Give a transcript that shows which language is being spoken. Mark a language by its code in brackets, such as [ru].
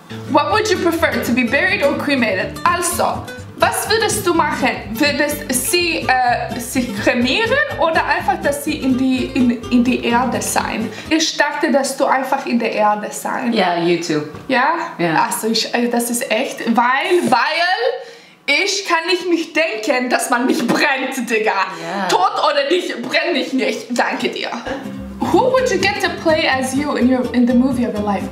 [en] What would you prefer, to be buried or cremated? [de] Also, was würdest du machen? Würdest sie sich kremieren oder einfach, dass sie in die Erde sein? Ich dachte, dass du einfach in der Erde sein. [en] Ja, yeah, you too. [de] Ja? Ja. Yeah. Also, das ist echt, weil ich kann nicht mich denken, dass man mich brennt, Digga. [en] Yeah. [de] Tot oder nicht, brenne ich nicht. Danke dir. [en] Who would you get to play as you in your in the movie of your life?